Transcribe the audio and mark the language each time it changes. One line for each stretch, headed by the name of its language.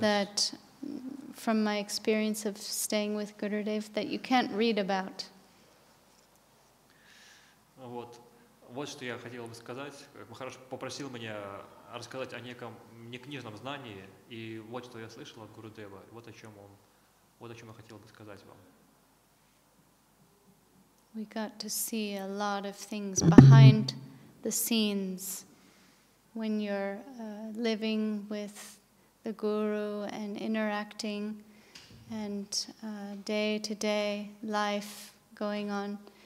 English: that from my experience of staying with Gurudev that you can't read about.
Russian: Вот что я хотел бы сказать. Махарадж попросил меня рассказать о неком некнижном знании, и вот что я слышал от Гурудева. Вот о чем он, вот о чем я хотел бы сказать вам.
English: We got to see a lot of things behind the scenes when you're living with the guru and interacting and day-to-day life going on.